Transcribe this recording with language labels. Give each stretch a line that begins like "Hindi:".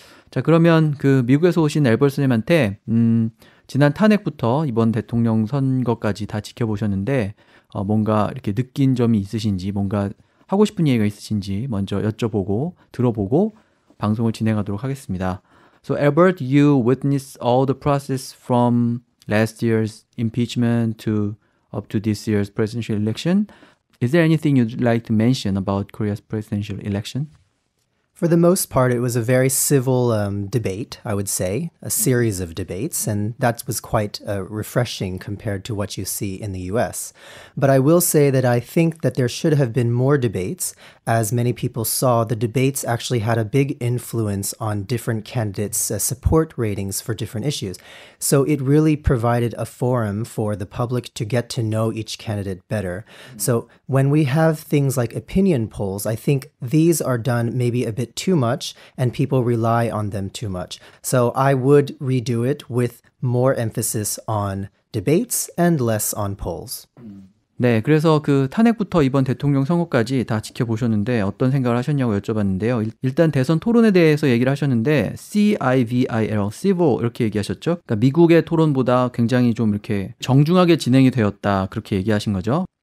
Korean: 자, 그러면 그 미국에서 오신 엘버스님한테 지난 탄핵부터 이번 대통령 선거까지 다 지켜보셨는데 뭔가 이렇게 느낀 점이 있으신지, 뭔가 하고 싶은 얘기가 있으신지 먼저 여쭤보고 들어보고 방송을 진행하도록 하겠습니다.
English: So Albert, you witnessed all the process from last year's impeachment to up to this year's presidential election. Is there anything you'd like to mention about Korea's presidential election? For the most part, it was a very civil debate, I would say, a series of debates, and that was quite refreshing compared to what you see in the U.S. But I will say that I think that there should have been more debates. As many people saw, the debates actually had a big influence on different candidates' support ratings for different issues. So it really provided a forum for the public to get to know each candidate better. So when we have things like opinion polls, I think these are done maybe a bit too much and people rely on them too much. So I would redo it with more emphasis on debates and less on polls.
Korean: 네, 그래서 그 탄핵부터 이번 대통령 선거까지 다 지켜보셨는데 어떤 생각을 하셨냐고 여쭤봤는데요. 일단 대선 토론에 대해서 얘기를 하셨는데 CIVIL, civil 이렇게 얘기하셨죠. 그러니까 미국의 토론보다 굉장히 좀 이렇게 정중하게 진행이 되었다 그렇게 얘기하신 거죠.